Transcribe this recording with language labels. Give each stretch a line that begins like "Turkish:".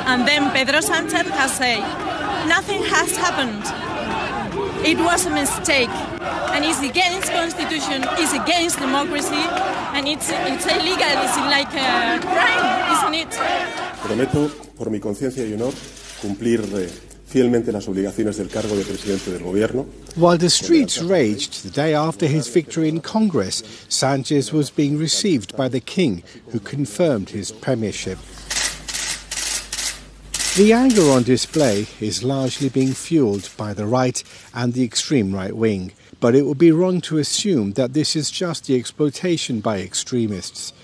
English: And then Pedro Sanchez has said, nothing has happened. It was a mistake, and it's against constitution, it's against democracy, and it's illegal, it's like a crime, isn't it?
Spanish: Prometo, por mi conciencia y honor, cumplir fielmente las obligaciones del cargo de presidente del gobierno.
English: While the streets raged the day after his victory in Congress, Sanchez was being received by the king, who confirmed his premiership. The anger on display is largely being fueled by the right and the extreme right wing, but it would be wrong to assume that this is just the exploitation by extremists.